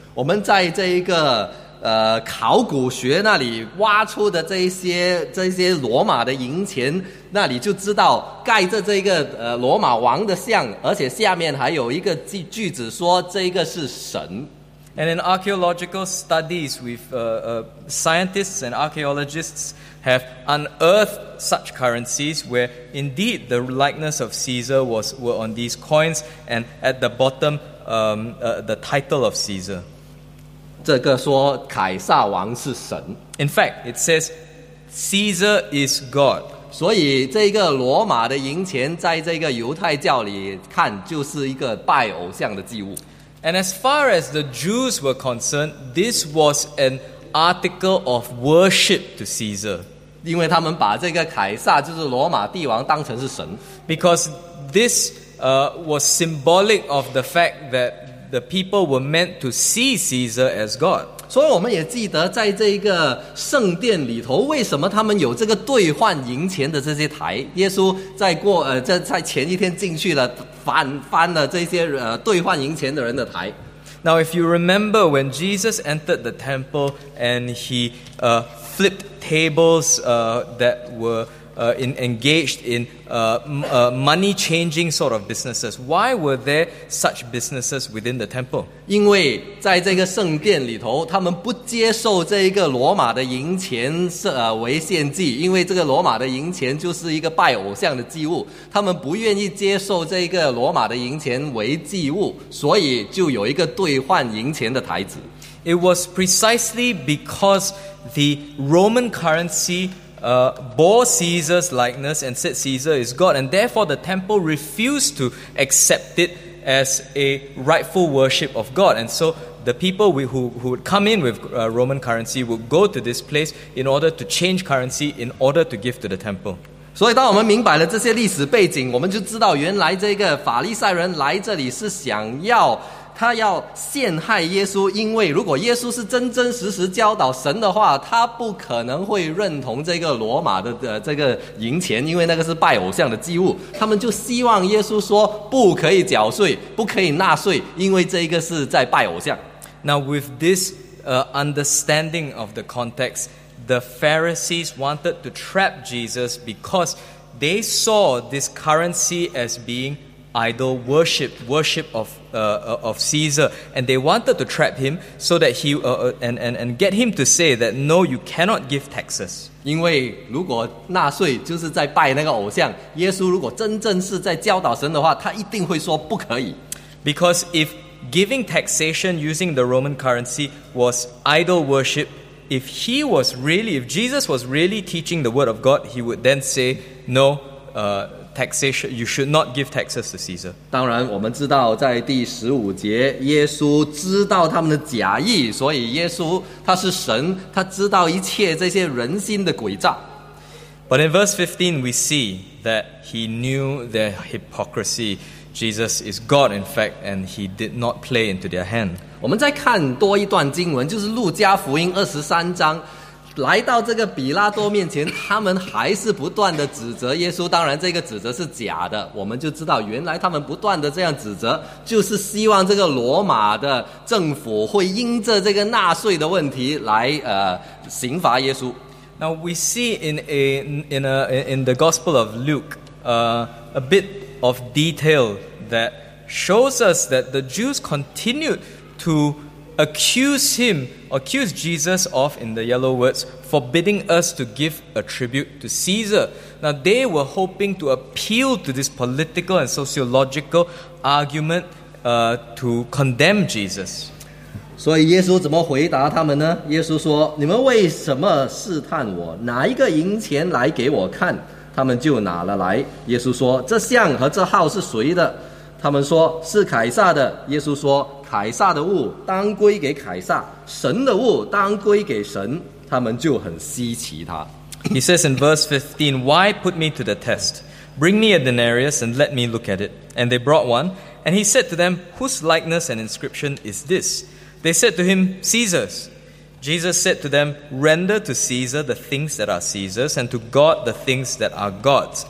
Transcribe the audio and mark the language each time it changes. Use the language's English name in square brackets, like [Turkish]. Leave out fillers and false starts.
[Chinese] 我们在这一个考古学那里挖出的这些罗马的银钱，那里就知道盖着这个罗马王的像，而且下面还有一个句子说这个是神。 [English] And in archaeological studies, scientists and archaeologists have unearthed such currencies where indeed the likeness of Caesar were on these coins, and at the bottom, the title of Caesar. [Chinese] 这个说凯撒王是神。 [English] In fact, it says Caesar is God. [Chinese] 所以这个罗马的银钱在这个犹太教里看就是一个拜偶像的祭物。 [English] And as far as the Jews were concerned, this was an article of worship to Caesar. [Chinese] 因为他们把这个凯撒就是罗马帝王当成是神。 [English] Because this was symbolic of the fact that the people were meant to see Caesar as God. [Chinese] 所以我们也记得在这个圣殿里头为什么他们有这个兑换银钱的这些台。耶稣在前一天进去了翻了这些兑换银钱的人的台。 [English] Now, if you remember when Jesus entered the temple and he flipped tables that were engaged in money changing sort of businesses, why were there such businesses within the temple? [Chinese] 因为在这个圣殿里头，他们不接受这一个罗马的银钱为献祭，因为这个罗马的银钱就是一个拜偶像的祭物，他们不愿意接受这个罗马的银钱为祭物，所以就有一个兑换银钱的台子。 [English] It was precisely because the Roman currency bore Caesar's likeness and said Caesar is God, and therefore the temple refused to accept it as a rightful worship of God. And so the people who would come in with Roman currency would go to this place in order to change currency, in order to give to the temple. [Chinese] 所以当我们明白了这些历史背景，我们就知道原来这个法利赛人来这里是想要他要陷害耶稣，因为如果耶稣是真真实实教导神的话，他不可能会认同这个罗马的这个银钱，因为那个是拜偶像的祭物。他们就希望耶稣说不可以缴税，不可以纳税，因为这个是在拜偶像。 [English] Now with this understanding of the context, the Pharisees wanted to trap Jesus because they saw this currency as being idol worship of Caesar, and they wanted to trap him so that he and get him to say that no, you cannot give taxes. [Chinese] 因为如果纳税就是在拜那个偶像，耶稣如果真正是在教导神的话，他一定会说不可以。 [English] Because if giving taxation using the Roman currency was idol worship, if Jesus was really teaching the word of God, he would then say no. Taxation, you should not give taxes to Caesar. [Chinese] 当然我们知道在第十五节耶稣知道他们的假意，所以耶稣他是神，他知道一切这些人心的诡诈。 [English] But in verse 15 we see that he knew their hypocrisy. Jesus is God in fact, and he did not play into their hand. [Chinese] 我们再看多一段经文，就是路加福音23章，来到这个比拉多面前，他们还是不断的指责耶稣。当然这个指责是假的，我们就知道原来他们不断的这样指责，就是希望这个罗马的政府会因着这个纳税的问题来刑罚耶稣。 [English] Now we see in the Gospel of Luke a bit of detail that shows us that the Jews continued to accuse Jesus of, in the yellow words, forbidding us to give a tribute to Caesar. Now they were hoping to appeal to this political and sociological argument to condemn Jesus. [Chinese] 所以耶稣怎么回答他们呢？耶稣说，你们为什么试探我？拿一个银钱来给我看。他们就拿了来。耶稣说，这像和这号是谁的？他们说，是凯撒的。耶稣说，凯撒的物当归给凯撒，神的物当归给神。他们就很稀奇他。 [English] He says in verse 15, Why put me to the test? Bring me a denarius and let me look at it. And they brought one. And he said to them, Whose likeness and inscription is this? They said to him, Caesar's. Jesus said to them, "Render to Caesar the things that are Caesar's, and to God the things that are God's."